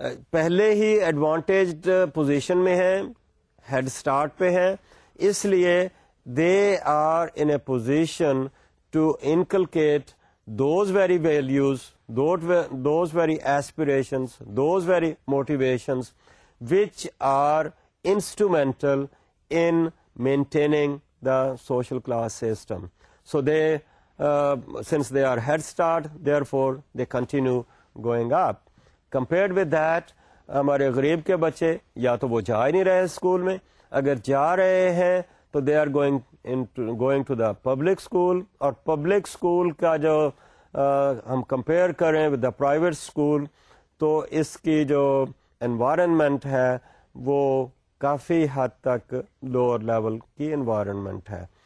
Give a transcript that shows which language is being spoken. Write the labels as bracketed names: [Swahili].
[Urdu] پہلے ہی ایڈوانٹیجڈ پوزیشن میں ہیں, ہیڈ اسٹارٹ پہ ہیں, اس لیے [English] They are in a position to inculcate those very values, those very aspirations, those very motivations which are instrumental in maintaining the social class system. So they since they are head start therefore they continue going up. Compared with that [Urdu] ہمارے غریب کے بچے یا تو وہ جا ہی نہیں رہے اسکول میں, اگر جا رہے ہیں تو [English] They are going to the public school. [Urdu] اور پبلک اسکول کا جو ہم کمپیئر کریں [English] with the private school [Urdu] تو اس کی جو انوائرمنٹ ہے وہ کافی حد تک لوور لیول کی انوائرمنٹ ہے.